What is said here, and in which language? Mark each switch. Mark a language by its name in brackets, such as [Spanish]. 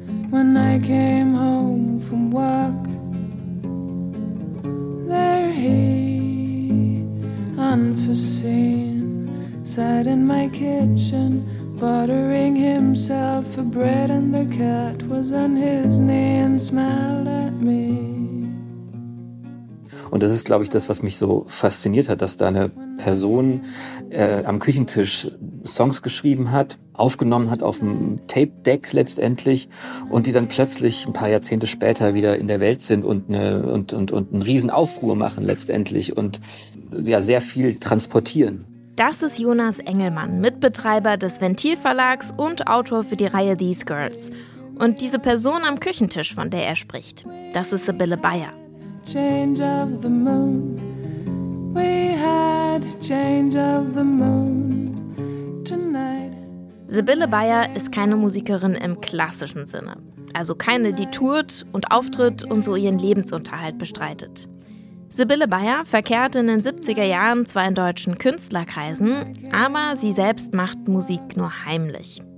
[English] When I came home from work, there he, unforeseen, sat in my kitchen, buttering himself for bread, and the cat was on his knee and smiled at me. [German] Und das ist, glaube ich, das, was mich so fasziniert hat, dass da eine Person am Küchentisch Songs geschrieben hat, aufgenommen hat auf dem Tape-Deck letztendlich und die dann plötzlich ein paar Jahrzehnte später wieder in der Welt sind und einen riesen Aufruhr machen letztendlich und ja sehr viel transportieren. Das ist Jonas Engelmann, Mitbetreiber des Ventilverlags und Autor für die Reihe These Girls. Und diese Person am Küchentisch, von der er spricht, das ist Sibylle Bayer. [English] Change of the moon, we had change of the moon tonight. [German] Sibylle Bayer ist keine Musikerin im klassischen Sinne. Also keine, die tourt und auftritt und so ihren Lebensunterhalt bestreitet. Sibylle Bayer verkehrt in den 70er Jahren zwar in deutschen Künstlerkreisen, aber sie selbst macht Musik nur heimlich.